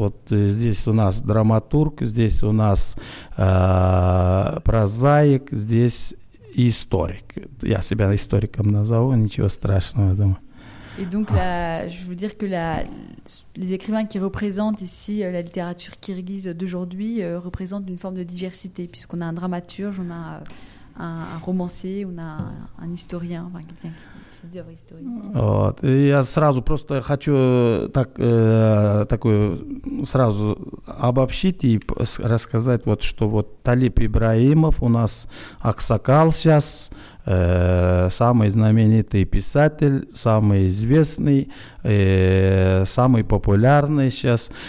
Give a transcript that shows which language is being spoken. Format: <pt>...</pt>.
<ru>Вот здесь у нас драматург, здесь у нас прозаик, здесь историк. Я себя историком назову, ничего страшного, я думаю.</ru> <fr>Et donc, là, je veux dire que les écrivains qui représentent ici la littérature kirghize d'aujourd'hui représentent une forme de diversité, puisqu'on a un dramaturge, on a un romancier, on a un historien, enfin quelqu'un qui fait des œuvres historiques.</fr> <ru>Вот. И я сразу просто хочу так, такую сразу обобщить и рассказать, вот, что вот Талип Ибраимов у нас Аксакал сейчас, самый знаменитый писатель, самый известный, самый популярный сейчас.</ru>